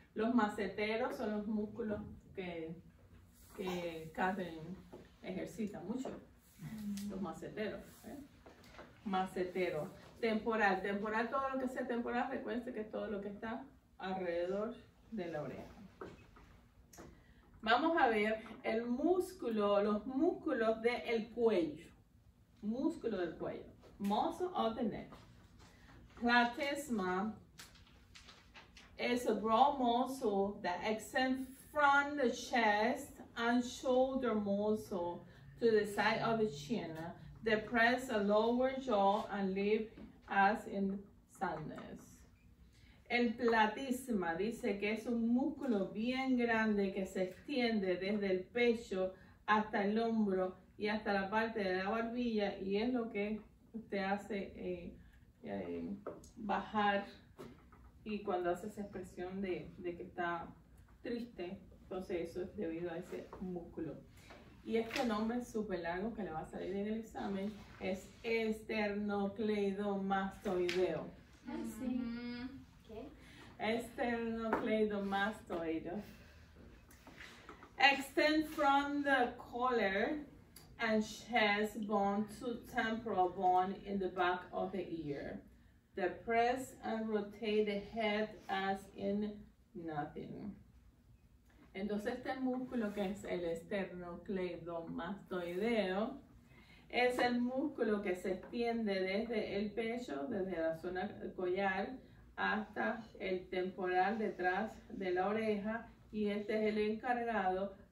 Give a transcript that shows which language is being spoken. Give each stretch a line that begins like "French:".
Spanish: Los maseteros son los músculos que Catherine ejercita mucho. Los maseteros. Maseteros. Temporal. Temporal, todo lo que sea temporal, recuerden que es todo lo que está alrededor de la oreja. Vamos a ver el músculo, los músculos del cuello. Músculo del cuello.
English: Muscle of the neck. Platysma is a broad muscle that extends from the chest and shoulder muscle to the side of the chin. Depress the lower jaw and lip as in sadness.
Spanish: El platysma dice que es un músculo bien grande que se extiende desde el pecho hasta el hombro y hasta la parte de la barbilla y es lo que te hace bajar y cuando hace esa expresión de que está triste, entonces eso es debido a ese músculo. Y este nombre súper largo que le va a salir en el examen es esternocleidomastoideo. Sí.
English: Esternocleidomastoid. Extend from the collar and chest bone to temporal bone in the back of the ear. Depress and rotate the head as in nothing.
Spanish: Entonces este músculo que es el esternocleidomastoideo es el músculo que se extiende desde el pecho, desde la zona collar, hasta el temporal detrás de la oreja y este es el encargado